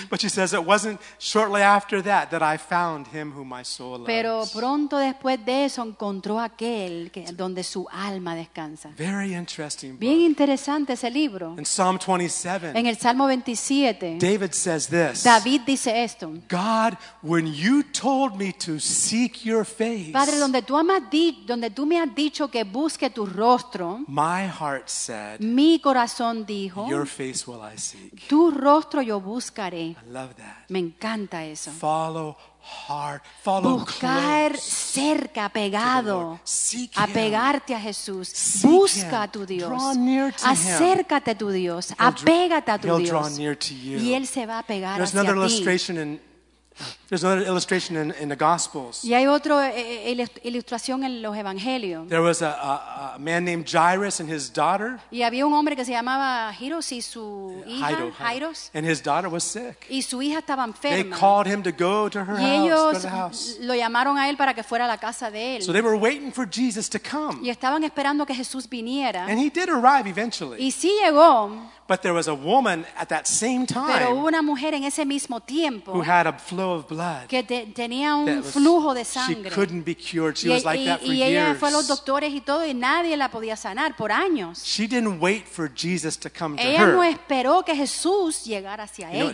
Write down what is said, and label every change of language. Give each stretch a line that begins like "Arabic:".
English: But she says it wasn't shortly after that that I found him whom my soul loves.
Spanish: Pero pronto después de eso encontró aquel que, donde su alma descansa.
English: Very interesting book.
Spanish: Bien interesante ese libro.
English: In Psalm 27.
Spanish: En el Salmo 27.
English: David says this.
Spanish: David dice esto.
English: God, when you told me to seek your face.
Spanish: Padre, donde tú me has dicho que busque tu rostro.
English: My heart said.
Spanish: Mi corazón dijo.
English: Your face will I
Spanish: tu rostro yo buscaré.
English: I love that.
Spanish: Me encanta eso.
English: Follow hard, follow
Spanish: buscar
English: close
Spanish: cerca, pegado,
English: seek
Spanish: apegarte
English: him
Spanish: a Jesús.
English: Seek
Spanish: busca
English: him
Spanish: a tu Dios.
English: Draw near to
Spanish: acércate
English: him
Spanish: a tu Dios. Apégate a tu
English: he'll
Spanish: Dios.
English: Draw near to you.
Spanish: Y él se va a pegar
English: there's
Spanish: hacia
English: another illustration
Spanish: ti.
English: There's another illustration in the Gospels.
Spanish: Y hay otra ilustración en los Evangelios.
English: There was a man named Jairus and his daughter.
Spanish: Y había un hombre que se llamaba Jairus y su hija
English: Jairus. And his daughter was sick.
Spanish: Y su hija estaba enferma.
English: They called him to go to her
Spanish: Y ellos
English: go to the house.
Spanish: Lo llamaron a él para que fuera a la casa de él.
English: So they were waiting for Jesus to come.
Spanish: Y estaban esperando que Jesús viniera.
English: And he did arrive eventually.
Spanish: Y sí llegó.
English: But there was a woman at that same time.
Spanish: Pero hubo una mujer en ese mismo tiempo.
English: Who had a flow of blood. blood.
Spanish: Que tenía un flujo de sangre.
English: She couldn't be cured. She was like that for years.
Spanish: Y ella fue a los doctores y todo y nadie la podía sanar por años.
English: She didn't wait for Jesus to come to her.
Spanish: Ella no esperó que Jesús llegara hacia ella.